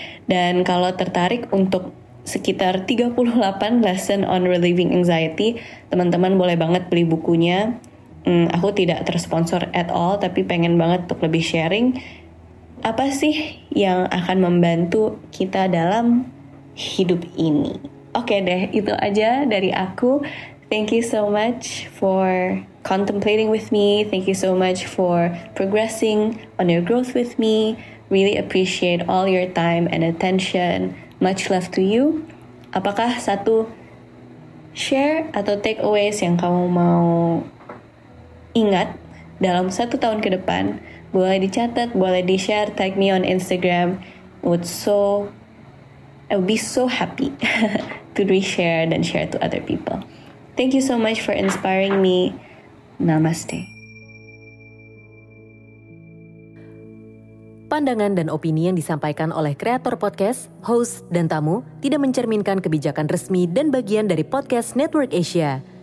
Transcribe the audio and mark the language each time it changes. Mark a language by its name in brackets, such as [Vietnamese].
[Indonesian] Dan kalau tertarik untuk sekitar 38 [English] lesson on relieving anxiety, [Indonesian] teman-teman boleh banget beli bukunya. Aku tidak tersponsor [English] at all, [Indonesian] tapi pengen banget untuk lebih sharing apa sih yang akan membantu kita dalam hidup ini. Oke deh, itu aja dari aku. [English] Thank you so much for contemplating with me. Thank you so much for progressing on your growth with me. Really appreciate all your time and attention. Much love to you. [Indonesian] Apakah satu share atau takeaways yang kamu mau ingat dalam satu tahun ke depan? Boleh dicatat, boleh di-share, [English] tag me on Instagram. I would be so happy to reshare and share to other people. Thank you so much for inspiring me. [Sanskrit] Namaste. [Indonesian] Pandangan dan opini yang disampaikan oleh kreator podcast, host, dan tamu tidak mencerminkan kebijakan resmi dan bagian dari Podcast Network Asia.